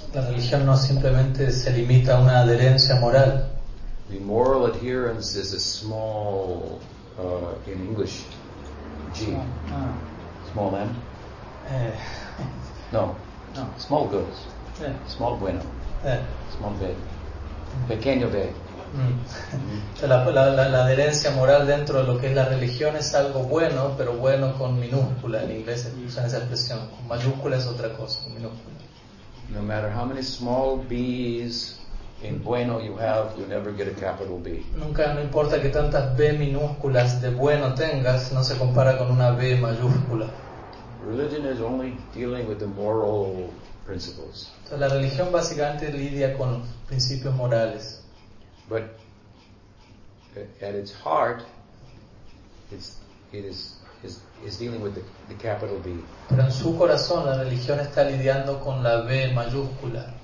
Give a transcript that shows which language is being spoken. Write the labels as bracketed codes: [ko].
[es] La religión no simplemente se limita a una adherencia moral. [en] The moral adherence is a small, in English, G. Small M? No. Small good. Small bueno. Small B. [es] Pequeño B. La adherencia moral dentro de lo que es la religión es algo bueno, pero bueno con minúscula. En inglés usan esa expresión, con mayúscula es otra cosa, con minúscula. [en] No matter how many small b's in bueno you have, you never get a capital B. [es] Nunca, no importa que tantas b minúsculas de bueno tengas, no se compara con una b mayúscula. [en] Religion is only dealing with the moral principles. [es] Entonces, la religión básicamente lidia con principios morales. [en] But at its heart, it is dealing with the capital B. [es] Pero en su corazón la religión está lidiando con la B mayúscula.